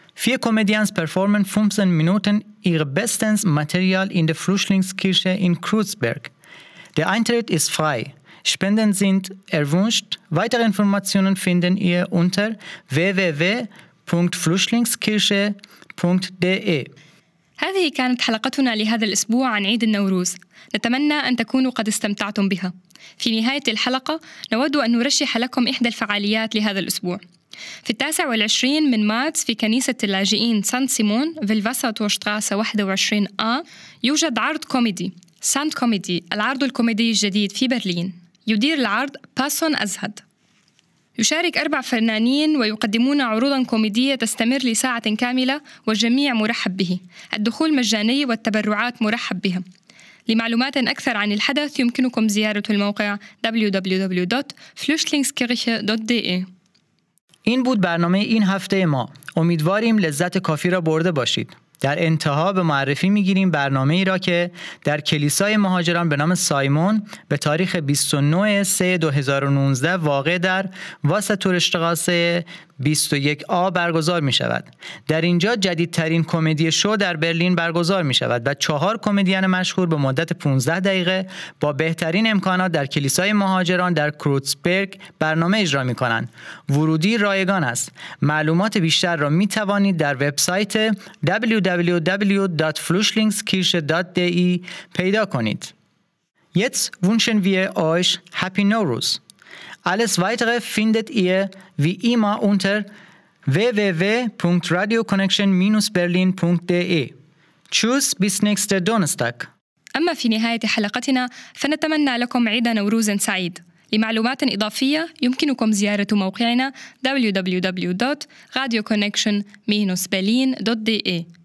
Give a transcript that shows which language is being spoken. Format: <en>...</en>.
<de>Vier Comedians performen 15 Minuten ihr bestes Material in der Flüchtlingskirche in Kreuzberg. Der Eintritt ist frei. Spenden sind erwünscht. Weitere Informationen findet ihr unter www.flüchtlingskirche.de.</de> <ar>هذه كانت حلقتنا لهذا الأسبوع عن عيد النوروز. نتمنى أن تكونوا قد استمتعتم بها. في نهاية الحلقة نود أن نرشح لكم إحدى الفعاليات لهذا الأسبوع. في 29 من مارس في كنيسة اللاجئين سانت سيمون في الفاساتورشتراسة 21A يوجد عرض كوميدي سانت كوميدي، العرض الكوميدي الجديد في برلين. يدير العرض باسون أزهد. يشارك 4 فنانين ويقدمون عروضا كوميدية تستمر لساعة كاملة والجميع مرحب به. الدخول مجاني والتبرعات مرحب بها. لمعلومات أكثر عن الحدث يمكنكم زيارة الموقع www.flüchtlingskirche.de.</ar> <fa>این بود برنامه این هفته ما. امیدواریم لذت کافی را برده باشید. در انتها به معرفی میگیریم برنامه ای را که در کلیسای مهاجران به نام سایمون به تاریخ 29/3/2019 واقع در واساتورشتراسه 21A برگزار می شود. در اینجا جدیدترین کمدی شو در برلین برگزار می شود و 4 کمدین مشهور به مدت 15 دقیقه با بهترین امکانات در کلیسای مهاجران در کروتسبرگ برنامه اجرا می کنند. ورودی رایگان است. معلومات بیشتر را می توانید در وبسایت www.flüchtlingskirche.de پیدا کنید.</fa> <de>Jetzt wünschen wir euch Happy Nowruz. Alles Weitere findet ihr wie immer unter www.radioconnection-berlin.de. Tschüss, bis nächster Donnerstag.</de> <ar>أما في نهاية حلقتنا فنتمنى لكم عيد نوروز سعيد. لمعلومات إضافية يمكنكم زيارة موقعنا www.radioconnection-berlin.de.</ar>